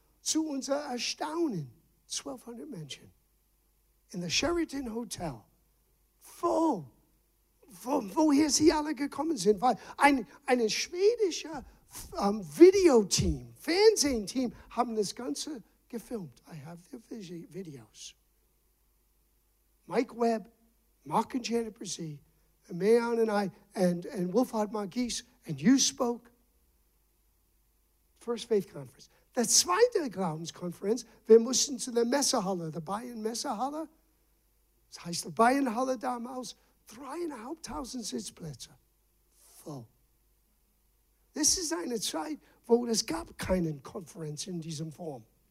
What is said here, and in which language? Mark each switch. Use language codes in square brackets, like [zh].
[de] Zu unser Erstaunen, 1200 Menschen in der Sheraton Hotel, voll. Woher sie alle gekommen sind, weil ein schwedischer Videoteam, Fernsehteam, haben das Ganze gefilmt. [en] I have the videos. Mike Webb, Mark and Janet Brzee, and Mayan and I, and Wolfhard Marquise, and you spoke. First Faith Conference. [de] The zweite Glaubenskonferenz, wir mussten zu der Messehalle, der Bayern Messehalle. Es heißt der Bayern Halle damals. 3,500 Sitzplätze. Voll. Das ist eine Zeit, wo es gab keine Konferenz in diesem Form.